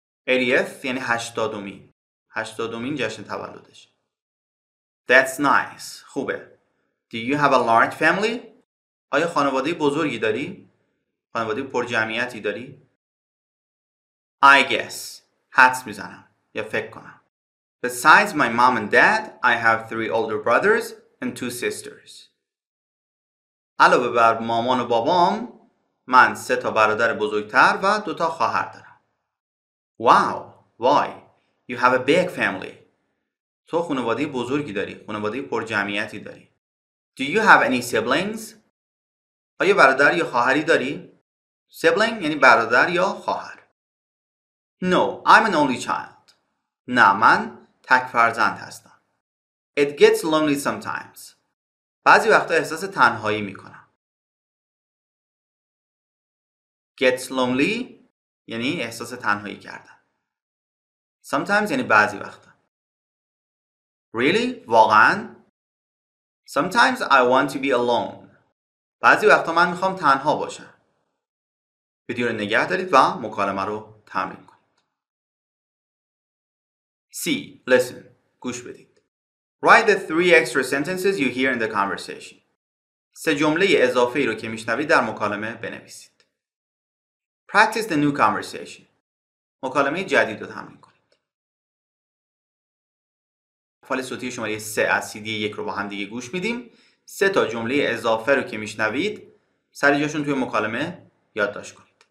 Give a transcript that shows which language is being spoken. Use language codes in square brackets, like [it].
[fa] 80th یعنی 80مین. 80مین جشن تولدش. [en] That's nice. [fa] خوبه. [en] Do you have a large family? [fa] آیا خانواده بزرگی داری؟ خانواده پرجمعیتی داری؟ [en] I guess. [fa] حدس میزنم. یا فکر کنم. [en] Besides my mom and dad, I have 3 older brothers and 2 sisters. [fa] علاوه بر مامان و بابام، من 3 تا برادر بزرگتر و 2 تا خواهر دارم. [en] Wow. Why? You have a big family. [fa] تو خانواده بزرگی داری، خانواده پرجمعیتی داری. [en] Do you have any siblings? [fa] آیا برادر یا خواهری داری؟ Sibling یعنی برادر یا خواهر. [en] No, I'm an only child. [fa] نه من تک فرزند هستم. [en] It gets lonely sometimes. [fa] بعضی وقتا احساس تنهایی میکنم. Gets lonely یعنی احساس تنهایی کردن. Sometimes یعنی بعضی وقتا. [en] Really؟ واقعا؟ Sometimes I want to be alone. [fa] بعضی وقتا من میخوام تنها باشم. ویدیو رو نگه دارید و مکالمه رو تمرین کنید. [en] See, listen. [fa] گوش بدید. [en] Write the three extra sentences you hear in the conversation. [fa] سه جمله اضافه ای رو که میشنوید در مکالمه بنویسید. [en] Practice the new conversation. [fa] مکالمه جدید رو تمرین کنید. فایل صوتی شماره 3 از CD 1 رو با هم دیگه گوش میدیم. سه تا جمله اضافه رو که میشنوید سر جاشون توی مکالمه یادداشت کنید.